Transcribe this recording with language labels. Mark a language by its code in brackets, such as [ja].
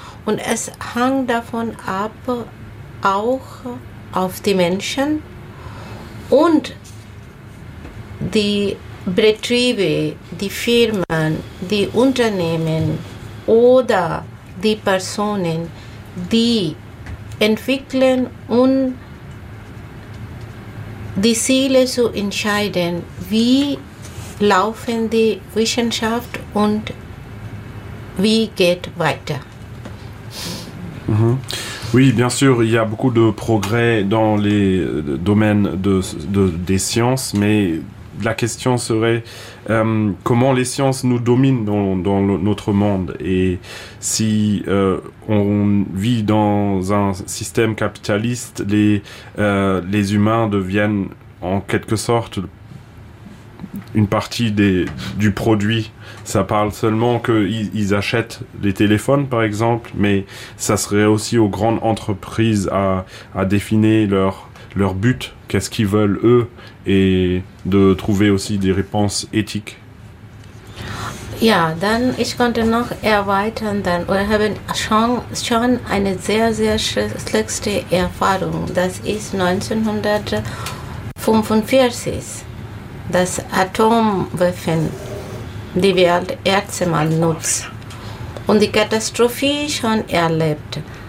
[de] Und es hängt davon ab, auch auf die Menschen, und die Betriebe, die Firmen, die Unternehmen oder die Personen, die entwickeln und die Ziele zu entscheiden, wie laufen die Wissenschaft und wie geht weiter. [fr] Oui, bien sûr, il y a beaucoup de progrès dans les domaines des sciences, mais la question serait comment les sciences nous dominent dans notre monde. Et si on vit dans un système capitaliste, les humains deviennent en quelque sorte une partie du produit. Ça parle seulement qu'ils achètent les téléphones, par exemple, mais ça serait aussi aux grandes entreprises à définir leur but, qu'est-ce qu'ils veulent, eux, et de trouver aussi des réponses éthiques. [de] Ja, dann ich konnte noch erweitern, dann wir haben schon eine sehr, sehr schlechte Erfahrung. Das ist 1945, das Atomwaffen. Die Welt erste Mal nutzt und die Katastrophe schon erlebt.